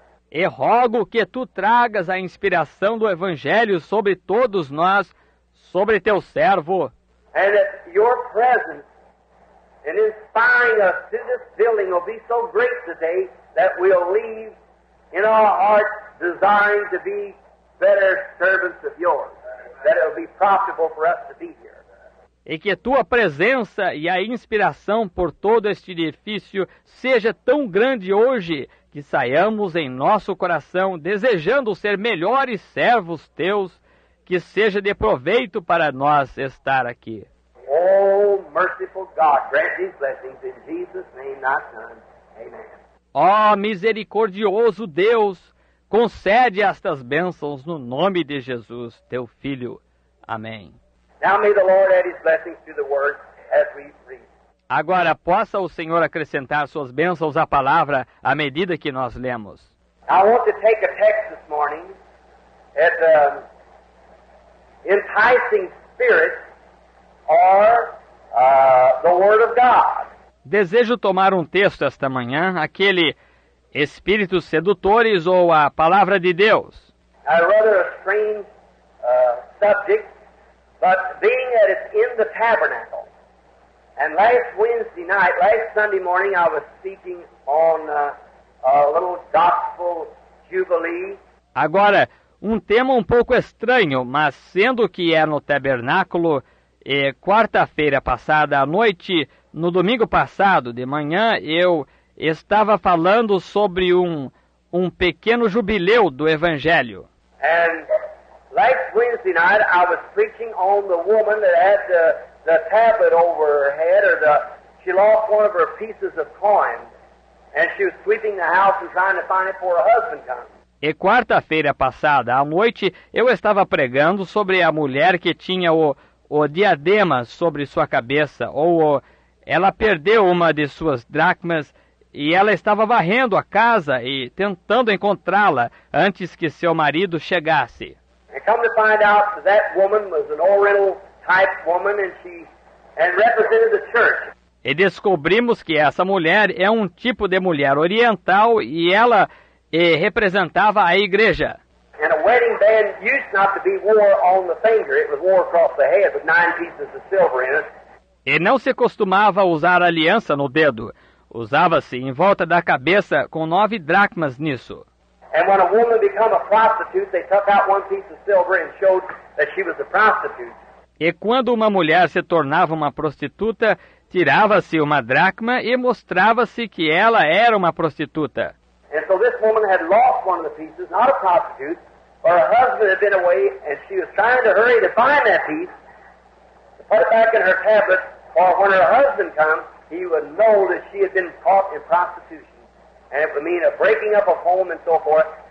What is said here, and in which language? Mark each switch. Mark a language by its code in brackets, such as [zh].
[pt] E rogo que tu tragas a inspiração do Evangelho sobre todos nós, sobre teu servo. [en] And that your presence in inspiring us to this building will be so great today that we'll leave in our hearts desiring to be better servants of yours, that it'll be profitable for us to be here. [pt] E que a tua presença e a inspiração por todo este edifício seja tão grande hoje que saiamos em nosso coração desejando ser melhores servos teus, que seja de proveito para nós estar aqui. [en] Oh, merciful God, grant these blessings in Jesus' name, thy Son. Amen. [pt] Ó, misericordioso Deus, concede estas bênçãos no nome de Jesus, teu Filho. Amém. [en] Now may the Lord add his blessings to the word as we read. [pt] Agora possa o Senhor acrescentar suas bênçãos à palavra à medida que nós lemos. [en] I want to take a text this morning. It's enticing spirit or the word of God. [pt] Desejo tomar um texto esta manhã, aquele espíritos sedutores ou a palavra de Deus. [en] I rather a strange subject, but being that it's in the tabernacle. And last Sunday morning I was speaking on a little gospel jubilee. [pt] Agora, um tema um pouco estranho, mas sendo que é no tabernáculo, quarta-feira passada à noite, no domingo passado de manhã, eu estava falando sobre um pequeno jubileu do Evangelho. [en] And last Wednesday night I was preaching on the woman that had the tablet over her head, or she lost one of her pieces of coin, and she was sweeping the house and trying to find it before her husband comes. [pt] E quarta-feira passada, à noite, eu estava pregando sobre a mulher que tinha o diadema sobre sua cabeça, ela perdeu uma de suas dracmas e ela estava varrendo a casa e tentando encontrá-la antes que seu marido chegasse. [en] I come to find out that woman was an Oriental type woman and represented the church. [pt] E descobrimos que essa mulher é um tipo de mulher oriental e ela representava a igreja. [en] And a wedding band used not to be worn on the finger, it was worn across the head with 9 pieces of silver in it. [pt] E não se costumava usar aliança no dedo. Usava-se em volta da cabeça com 9 dracmas nisso. [en] And when a woman became a prostitute, they took out 1 piece of silver and showed that she was a prostitute. [pt] E quando uma mulher se tornava uma prostituta, tirava-se uma dracma e mostrava-se que ela era uma prostituta. [en] And so this woman had lost one of the pieces, not a prostitute, but her husband had been away and she was trying to hurry to find that piece. Put it back in her tablet, or when her husband comes, he would know that she had been caught in prostitution, and it would mean a breaking up of home and so forth.